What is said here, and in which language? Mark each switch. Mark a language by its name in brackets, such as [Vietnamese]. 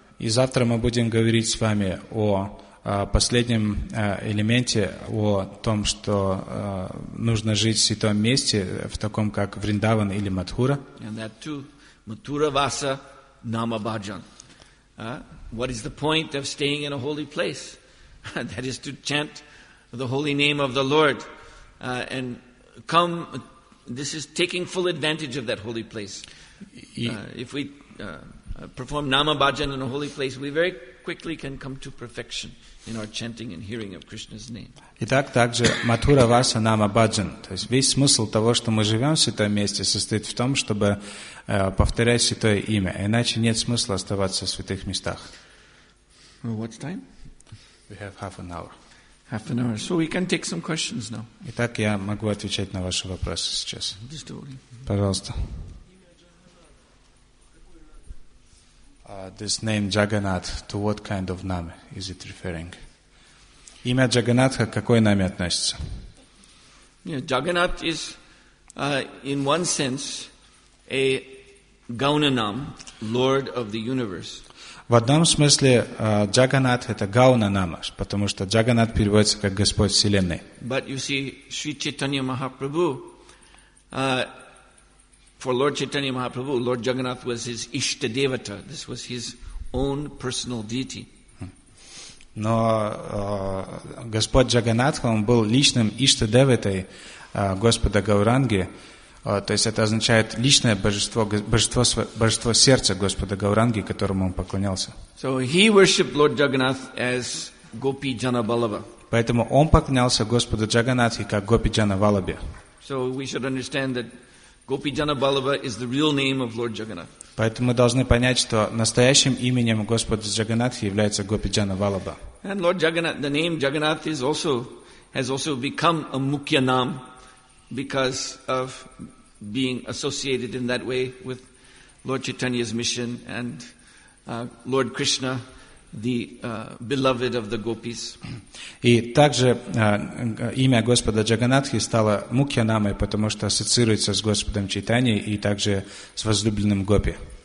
[Russian] И завтра мы будем говорить с вами о последнем элементе, о том, что нужно жить в святом месте, в таком как Вриндаван или Матхура. [English] And that too, Mathura Vasa Nama Bhajan. What is the point of staying in a holy place? That is to chant the holy name of the Lord and come. This is taking full advantage of that holy place. If we perform nama bhajan in a holy place, we very quickly can come to perfection in our chanting and hearing of Krishna's name. [Russian] Итак, также Mathura Vasa Nama Bhajan. То есть весь смысл того, что мы живем в святом месте, состоит в том, чтобы повторять святое имя. Иначе нет смысла оставаться в святых местах. [English] Well, what time? We have half an hour. Half an hour. So we can take some questions now. [Russian] Итак, я могу отвечать на ваши вопросы сейчас. [English] Just a moment. [Russian] Пожалуйста. [English] This name Jagannath, to what kind of name is it referring? [Russian] Имя Джаганатха к какой наме относится? [English] Yeah, Jagannath is, in one sense, a Gaunanam, Lord of the Universe. [Russian] В одном смысле Джаганат это Гаунанама, потому что Джаганат переводится как Господь Вселенной. [English] But you see, Sri Chaitanya Mahaprabhu, for Lord Chaitanya Mahaprabhu, Lord Jagannath was his Ishta Devata. This was his own personal deity. [Russian] Но Господь Джаганатха, он был личным Ishta Devatai Господа Гауранги. То есть это означает личное божество, божество, божество сердца Господа Гауранги, которому он поклонялся. [English] So he worshipped Lord Jagannath as Gopi Janavallabha. [Russian] Поэтому он поклонялся Господу Джаганатхе как Гопи Джанавалабе. [English] So we should understand that Gopi Janavallabha is the real name of Lord Jagannath. [Russian] Поэтому мы должны понять, что настоящим именем Господа Джаганатхи является Гопи Джанавалабха. [English] And Lord Jagannath, the name Jagannath is also has also become a mukhya nam. Because of being associated in that way with Lord Chaitanya's mission and Lord Krishna, the beloved of the gopis. [Russian] И также имя Господа Джаганатхи стало мукхьянамой, потому что ассоциируется с Господом Чайтаньей и также с возлюбленным гопи.